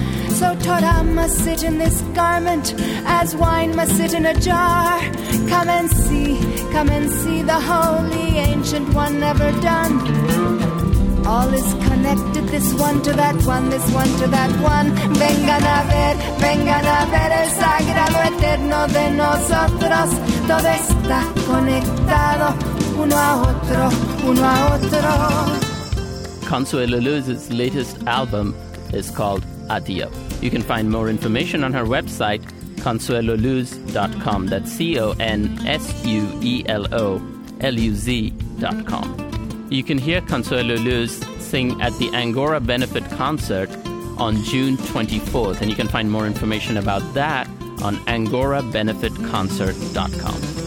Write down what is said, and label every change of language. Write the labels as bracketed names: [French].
[English] So Torah must sit in this garment, as wine must sit in a jar. Come and see the holy ancient one never done. All is connected, this one to that one, this one to that one. [Spanish] Vengan a ver el sagrado eterno de nosotros. Todo está conectado, uno a otro, uno a otro. [English] Consuelo Luz's latest album is called Adio. You can find more information on her website, consueloluz.com. That's consueloluz.com. You can hear Consuelo Luz sing at the Angora Benefit Concert on June 24th, and you can find more information about that on angorabenefitconcert.com.